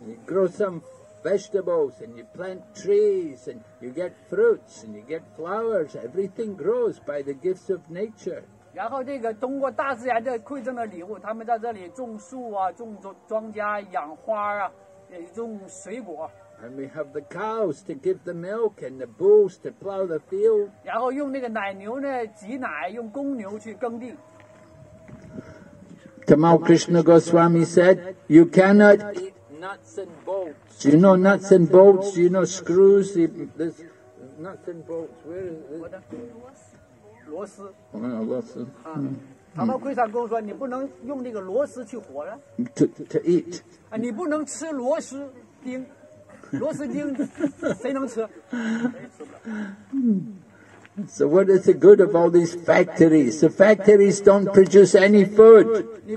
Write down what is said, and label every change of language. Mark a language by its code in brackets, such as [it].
[en] You grow some vegetables and you plant trees and you get fruits and you get flowers. Everything grows by the gifts of nature. [zh] 然后这个通过大自然的馈赠的礼物，他们在这里种树啊，种庄稼，养花啊，种水果。 [en] And we have the cows to give the milk and the bulls to plow the field. [zh] 然后用那个奶牛呢挤奶，用公牛去耕地。 [en] Tamal Krishna Goswami said, "You cannot eat nuts and bolts. You know nuts and bolts. You know screws. This nuts and bolts. Where is it? [zh] 螺丝。啊。他们会上跟我说，你不能用那个螺丝去活了。 [en] To eat。 [zh] 啊，你不能吃螺丝钉。螺丝钉，谁能吃？谁吃不了。 [en] So what is the good of all these factories? The factories don't produce any food.